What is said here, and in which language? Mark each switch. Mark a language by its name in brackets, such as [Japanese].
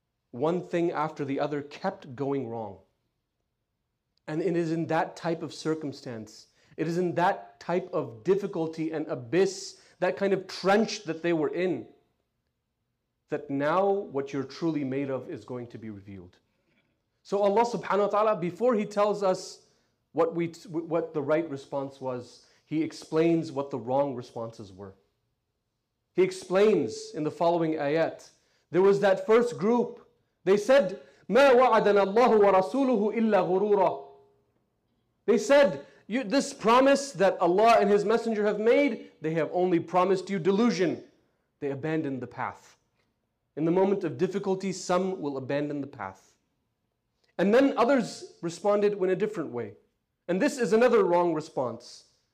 [English] One thing after the other kept going wrong. And it is in that type of circumstance, it is in that type of difficulty and abyss, that kind of trench that they were in, that now what you're truly made of is going to be revealed. So Allah subhanahu wa ta'ala, before He tells us what the right response was, He explains what the wrong responses were. He explains in the following ayat, there was that first group. They said, [Arabic] مَا وَعَدَنَا اللَّهُ وَرَسُولُهُ إِلَّا غُرُورًا. [English] They said, this promise that Allah and His Messenger have made, they have only promised you delusion. They abandoned the path. In the moment of difficulty, some will abandon the path. And then others responded in a different way. And this is another wrong response.